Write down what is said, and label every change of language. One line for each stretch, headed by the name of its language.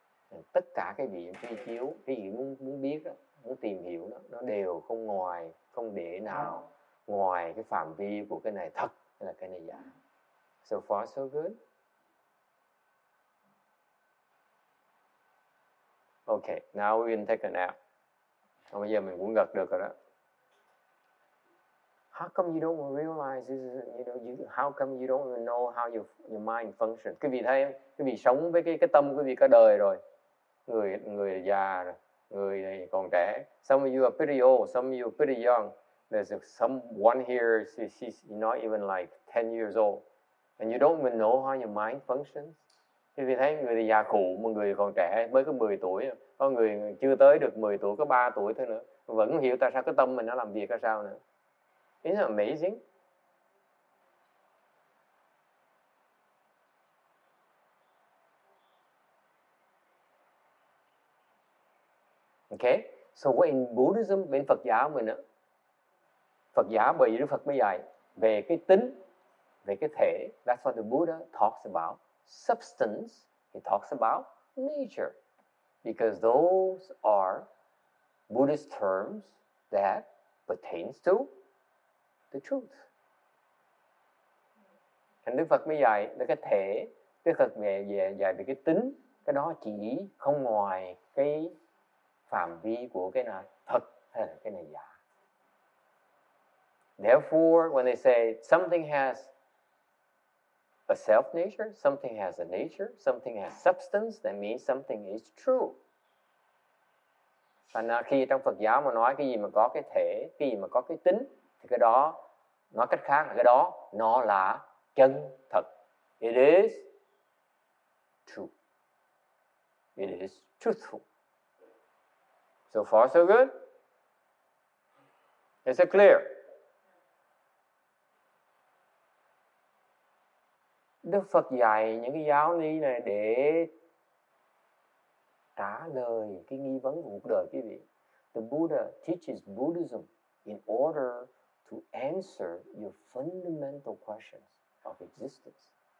Vietnamese: And tất cả cái gì truy cứu, cái gì muốn biết đó, muốn tìm hiểu đó, nó đều không ngoài, không để nào ngoài cái phạm vi của cái này thật hay là cái này giả.
English: So far so good. Okay, now we can take a nap.
Vietnamese: Bây giờ mình cũng gật được rồi đó.
English: How come you don't realize this is, you know, you, how come you don't even know how your mind functions?
Vietnamese: Quý vị thấy không? Quý vị sống với cái tâm quý vị cả đời rồi. Người già rồi, người này còn trẻ.
English: Some of you are pretty old, some of you are pretty young. There's someone here, she's not even like 10 years old. And you don't even know how your mind functions.
Vietnamese: Quý vị thấy người già khổ, mà người còn trẻ mới có 10 tuổi. Có người chưa tới được 10 tuổi, có 3 tuổi thôi nữa. Vẫn hiểu tại sao cái tâm mình nó làm việc ra sao nữa.
English: Isn't it amazing? Okay, so what in Buddhism,
Vietnamese: bên Phật giáo mình á, Phật giáo bởi vì Đức Phật mới dạy về cái tính, về cái thể.
English: That's what the Buddha talks about. Substance, he talks about nature. Because those are Buddhist terms that pertains to the truth.
Vietnamese: Thành Đức Phật mới dạy về cái thể, Đức Phật dạy về cái tính, cái đó chỉ không ngoài cái phạm vi của cái này thật hay là cái này giả.
English: Therefore, when they say something has a self nature, something has a nature, something has substance, that means something is true.
Vietnamese: Thành ra khi trong Phật giáo mà nói cái gì mà có cái thể, cái gì mà có cái tính, thì cái đó, nói cách khác là cái đó, nó là chân thật.
English: It is true. It is truthful. So far so good? Is it clear?
Vietnamese: Đức Phật dạy những cái giáo lý này để trả lời cái nghi vấn của cuộc đời quý vị.
English: The Buddha teaches Buddhism in order to answer your fundamental questions of existence.